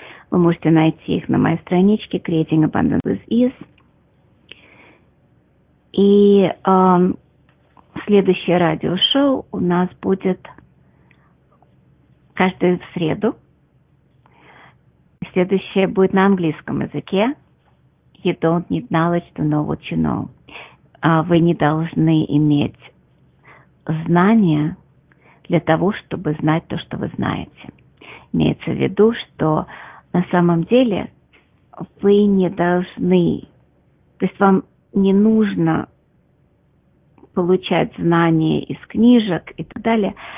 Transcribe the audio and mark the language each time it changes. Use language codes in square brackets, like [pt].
[ru] Вы можете найти их на моей страничке Creating Abundance with Ease. И следующее радиошоу у нас будет каждую среду. Следующее будет на английском языке. [en] You don't need knowledge to know what you know. [ru] Вы не должны иметь знания для того, чтобы знать то, что вы знаете. Имеется в виду, что на самом деле вы не должны, то есть вам не нужно получать знания из книжек и так далее.